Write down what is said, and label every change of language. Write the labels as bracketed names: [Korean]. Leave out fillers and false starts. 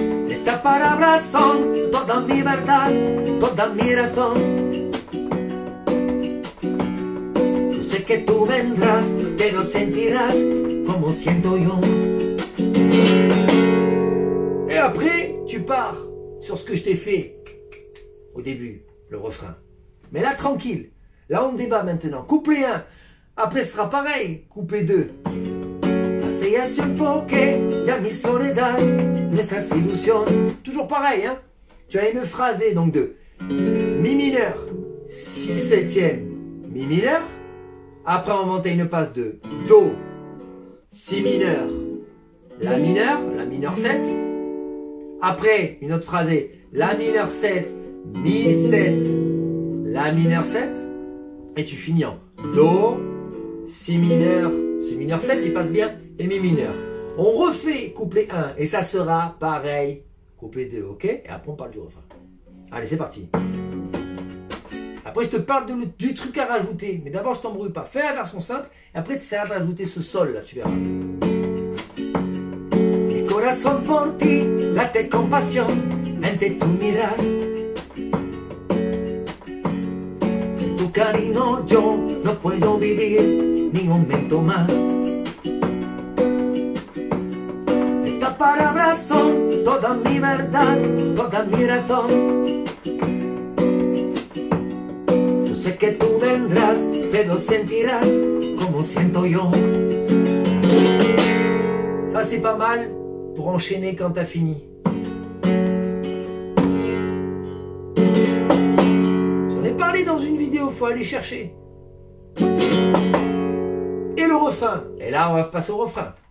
[Spanish] Estas palabras son toda mi verdad, toda mi razón. Yo sé que tú vendrás, pero sentirás como siento yo. [French] Et après, tu pars sur ce que je t'ai fait au début, le refrain. Mais là, tranquille. Là, on débat maintenant. Couplet 1. Après, ce sera pareil. Couplet 2. [Spanish] Hace ya tiempo que ya mi soledad me hace ilusión. [French] Toujours pareil, hein? Tu as une phrasée, donc de mi mineur, si septième, mi mineur. Après, on monte une passe de do, si mineur, la mineur 7. Après, une autre phrasée, la mineur 7, mi 7, la mineur 7. Et tu finis en do, si mineur 7, il passe bien, et mi mineur. On refait couplet 1 et ça sera pareil, couplet 2, ok? Et après, on parle du refrain. Allez, c'est parti. Après, je te parle du truc à rajouter. Mais d'abord, je t'embrouille pas. Fais la version simple. Et après, tu essaieras d'ajouter ce sol, là, tu verras. [Spanish] Mi corazón por ti, la te compasión, mente tu mirar. Tu cariño, yo no puedo vivir ni un momento más. Estas palabras son toda mi verdad, toda mi razón. Sé que tú vendrás, pero sentirás como siento yo. [French] Ça c'est pas mal pour enchaîner quand t'as fini. J'en ai parlé dans une vidéo, faut aller chercher. Et le refrain. Et là, on va passer au refrain.